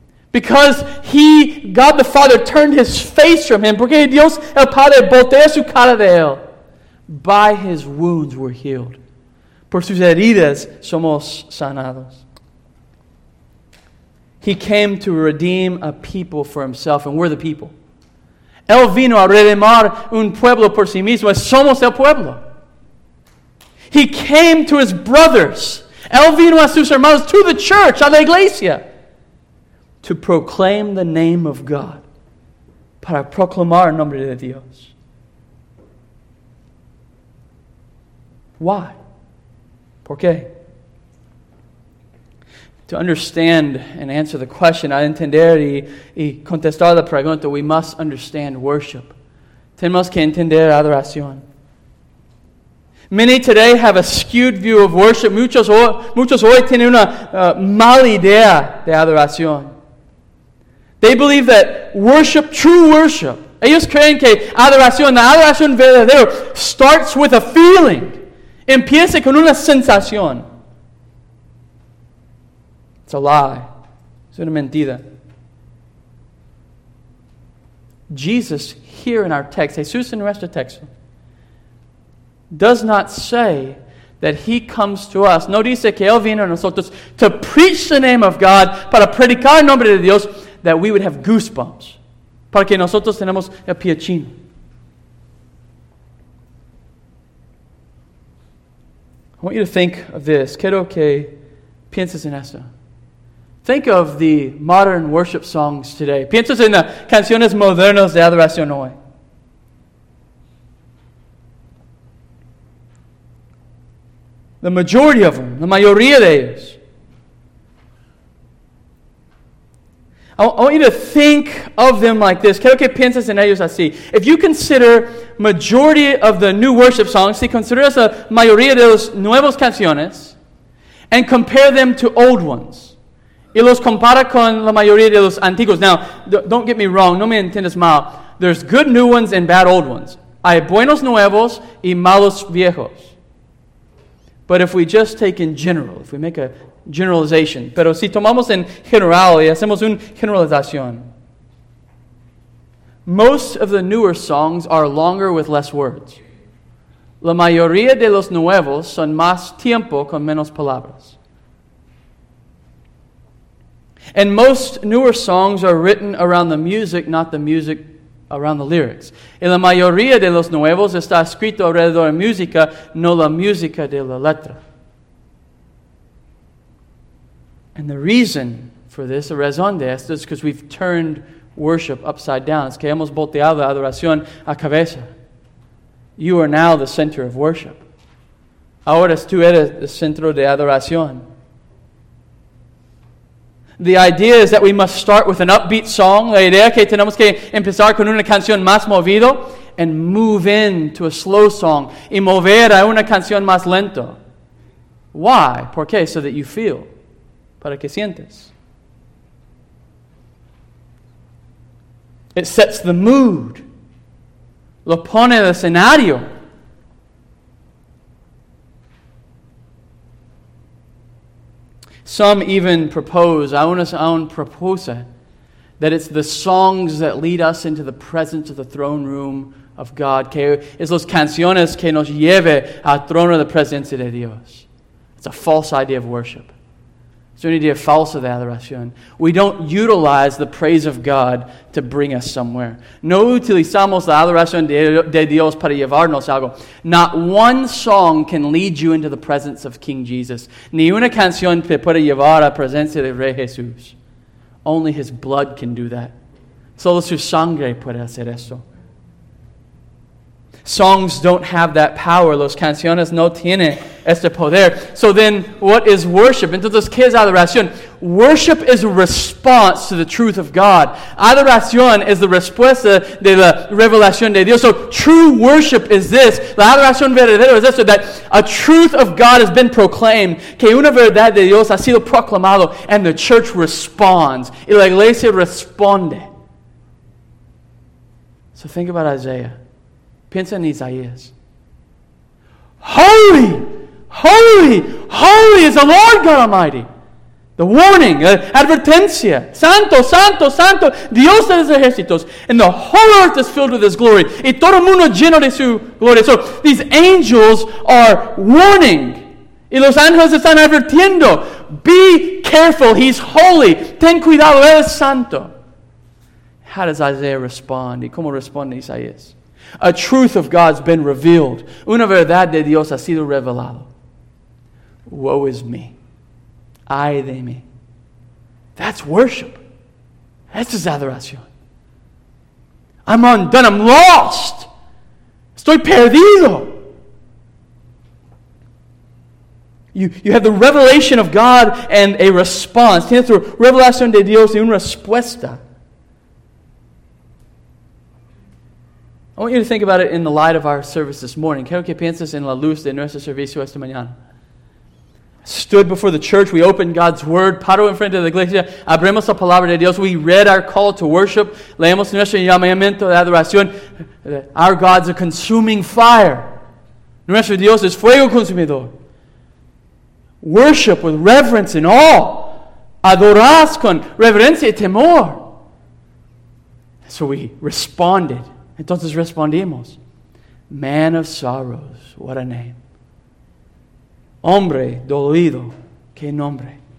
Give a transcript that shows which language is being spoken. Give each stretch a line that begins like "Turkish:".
English: Because he, God the Father, turned his face from him.
Spanish: Porque Dios el Padre voltea su cara de él.
English: By his wounds we're healed.
Spanish: Por sus heridas somos sanados.
English: He came to redeem a people for himself, and we're the people.
Spanish: Él vino a redimir un pueblo por sí mismo. Somos el pueblo.
English: He came to his brothers.
Spanish: Él vino a sus hermanos,
English: to the church,
Spanish: a la iglesia.
English: To proclaim the name of God.
Spanish: Para proclamar el nombre de Dios.
English: Why?
Spanish: ¿Por qué?
English: To understand and answer the question,
Spanish: a entender y contestar la pregunta,
English: we must understand worship.
Spanish: Tenemos que entender adoración.
English: Many today have a skewed view of worship.
Spanish: Muchos hoy tienen una mala idea de adoración.
English: They believe that worship, true worship,
Spanish: ellos creen que adoración, la adoración verdadera,
English: starts with a feeling.
Spanish: Empieza con una sensación.
English: It's a lie.
Spanish: Es una mentira.
English: Jesus, here in our text,
Spanish: Jesús en nuestro texto,
English: does not say that he comes to us.
Spanish: No dice que él viene a nosotros
English: to preach the name of God,
Spanish: para predicar el nombre de Dios,
English: that we would have goosebumps.
Spanish: Para que nosotros tenemos el pie chino.
English: I want you to think of this.
Spanish: Quiero que pienses en eso.
English: Think of the modern worship songs today.
Spanish: Piensas en las canciones modernas de adoración hoy.
English: The majority of them,
Spanish: la mayoría de ellos.
English: I want you to think of them like this.
Spanish: Quiero que pienses en ellos así.
English: If you consider majority of the new worship songs,
Spanish: si consideras la mayoría de los nuevos canciones,
English: and compare them to old ones.
Spanish: Y los compara con la mayoría de los antiguos.
English: Now, don't get me wrong.
Spanish: No me entiendes mal.
English: There's good new ones and bad old ones.
Spanish: Hay buenos nuevos y malos viejos.
English: But if we just take in general, if we make a generalization.
Spanish: Pero si tomamos en general y hacemos una generalización.
English: Most of the newer songs are longer with less words.
Spanish: La mayoría de los nuevos son más tiempo con menos palabras.
English: And most newer songs are written around the music, not the music around the lyrics.
Spanish: Y la mayoría de los nuevos está escrito alrededor de música, no la música de la letra.
English: And the reason for this, the raison de esto, is because we've turned worship upside down.
Spanish: Es que hemos volteado la adoración a cabeza.
English: You are now the center of worship.
Spanish: Ahora tú eres el centro de adoración.
English: The idea is that we must start with an upbeat song.
Spanish: La idea es que tenemos que empezar con una canción más movido
English: and move into a slow song
Spanish: y mover a una canción más lento.
English: Why?
Spanish: ¿Por qué?
English: So that you feel.
Spanish: Para que sientes.
English: It sets the mood.
Spanish: Lo pone el escenario.
English: Some even propose,
Spanish: aún propuse,
English: that it's the songs that lead us into the presence of the throne room of God.
Spanish: Que es los canciones que nos lleve al trono de presencia de Dios.
English: It's a false idea of worship.
Spanish: It's una idea falsa de adoración.
English: We don't utilize the praise of God to bring us somewhere.
Spanish: No utilizamos la adoración de Dios para llevarnos algo.
English: Not one song can lead you into the presence of King Jesus.
Spanish: Ni una canción te puede llevar a presencia del Rey Jesús.
English: Only His blood can do that.
Spanish: Solo su sangre puede hacer eso.
English: Songs don't have that power.
Spanish: Los canciones no tienen este poder.
English: So then, what is worship?
Spanish: Entonces, ¿qué es adoración?
English: Worship is a response to the truth of God.
Spanish: Adoración es la respuesta de la revelación de Dios.
English: So, true worship is this.
Spanish: La adoración verdadera es esto,
English: that a truth of God has been proclaimed.
Spanish: Que una verdad de Dios ha sido proclamado.
English: And the church responds.
Spanish: Y la iglesia responde.
English: So think about Isaiah.
Spanish: Piensa en Isaías.
English: Holy, holy, holy is the Lord God Almighty. The warning, advertencia.
Spanish: Santo, santo, santo, Dios de los ejércitos.
English: And the whole earth is filled with His glory.
Spanish: Y todo el mundo lleno de su gloria.
English: So these angels are warning.
Spanish: Y los ángeles están advirtiendo.
English: Be careful, He's holy.
Spanish: Ten cuidado, Él es santo.
English: How does Isaiah respond?
Spanish: ¿Y cómo responde Isaías?
English: A truth of God's been revealed.
Spanish: Una verdad de Dios ha sido revelado.
English: Woe is me.
Spanish: Ay de mí.
English: That's worship.
Spanish: Eso es adoración.
English: I'm undone. I'm lost.
Spanish: Estoy perdido.
English: You have the revelation of God and a response.
Spanish: Tienes la revelación de Dios y una respuesta.
English: I want you to think about it in the light of our service this morning.
Spanish: Quiero que pienses en la luz de nuestro servicio esta mañana.
English: Stood before the church, we opened God's word,
Spanish: paro en frente de la iglesia, abrimos la palabra de Dios,
English: we read our call to worship,
Spanish: leemos nuestro llamamiento de adoración.
English: Our God's a consuming fire.
Spanish: Nuestro Dios es fuego consumidor.
English: Worship with reverence and awe.
Spanish: Adoras con reverencia y temor.
English: So we responded.
Spanish: Entonces respondimos.
English: Man of sorrows, what a name.
Spanish: Hombre dolido, qué nombre.